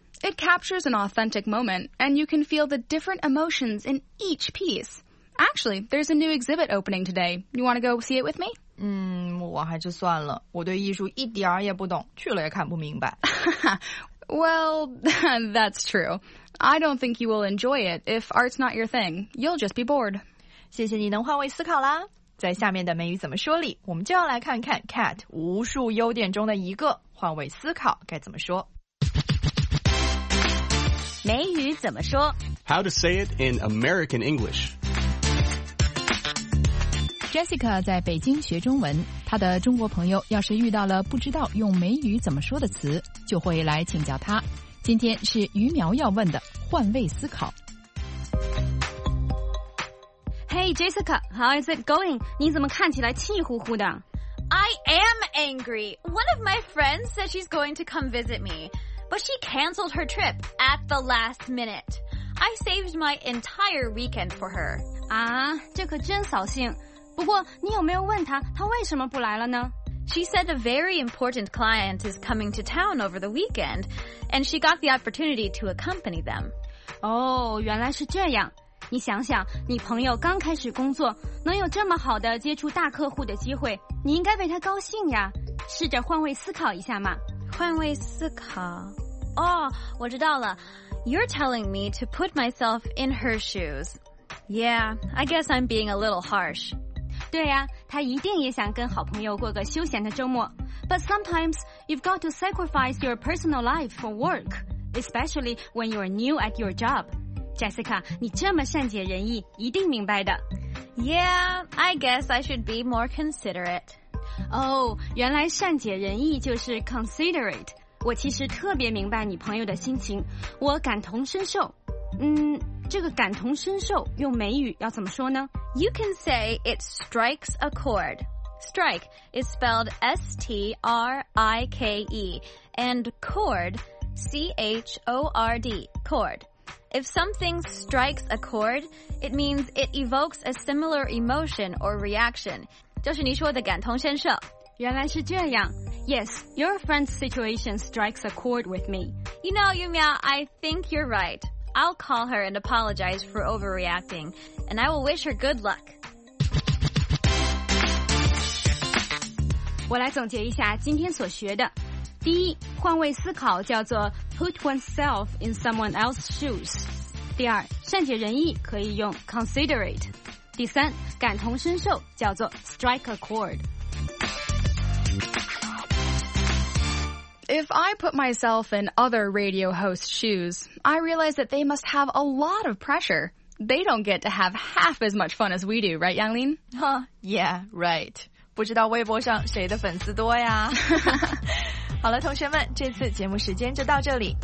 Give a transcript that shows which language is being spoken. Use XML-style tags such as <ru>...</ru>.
<en>It captures an authentic moment and you can feel the different emotions in each piece. Actually, there's a new exhibit opening today. You want to go see it with me?</en> <zh>我还是算了，我对艺术一点也不懂，去了也看不明白。</zh> <en>Well, that's true. I don't think you will enjoy it if art's not your thing. You'll just be bored.</en> <zh>谢谢你能换位思考啦。在下面的美语怎么说里，我们就要来看看 Cat 无数优点中的一个，换位思考该怎么说。美语怎么说？</zh> <en>How to say it in American English.</en> <zh>Jessica 在北京学中文，她的中国朋友要是遇到了不知道用美语怎么说的词，就会来请教她。今天是于苗要问的换位思考。</zh> <en>Hey, Jessica, how is it going?</en> <zh>你怎么看起来气呼呼的?</zh> <en>I am angry. One of my friends said she's going to come visit me, but she canceled her trip at the last minute. I saved my entire weekend for her.</en> <zh>啊,这可真扫兴。不过你有没有问她,她为什么不来了呢?</zh> <en>She said a very important client is coming to town over the weekend, and she got the opportunity to accompany them.</en> <zh>哦,原来是这样。你想想，你朋友刚开始工作，能有这么好的接触大客户的机会，你应该为他高兴呀。试着换位思考一下嘛。换位思考？哦，我知道了。</zh> <en>You're telling me to put myself in her shoes. Yeah, I guess I'm being a little harsh.</en> <zh>对呀，他一定也想跟好朋友过个休闲的周末。</zh> <en>But sometimes you've got to sacrifice your personal life for work, especially when you're new at your job.</en> <zh>Jessica, 你这么善解人意，一定明白的。</zh> <en>Yeah, I guess I should be more considerate.</en> <zh>哦，原来善解人意就是 considerate。我其实特别明白你朋友的心情，我感同身受。这个感同身受用美语要怎么说呢？</zh> <en>You can say it strikes a chord. Strike is spelled S-T-R-I-K-E, and chord, C-H-O-R-D, chord. If something strikes a chord, it means it evokes a similar emotion or reaction.</en> <zh>就是你说的感同身受。原来是这样。</zh> <en>Yes, your friend's situation strikes a chord with me. You know, Yumiao, I think you're right. I'll call her and apologize for overreacting, and I will wish her good luck.</en> <zh>我来总结一下今天所学的。第一，换位思考叫做</zh> <en>put oneself in someone else's shoes.</en> <zh>第二，善解人意可以用 considerate. 第三，感同身受叫做</zh> <en>strike a chord. If I put myself in other radio hosts' shoes, I realize that they must have a lot of pressure. They don't get to have half as much fun as we do, right, Yanglin? Huh, yeah, right.</en> <zh>不知道微博上谁的粉丝多呀。好了，同学们，这次节目时间就到这里。</zh>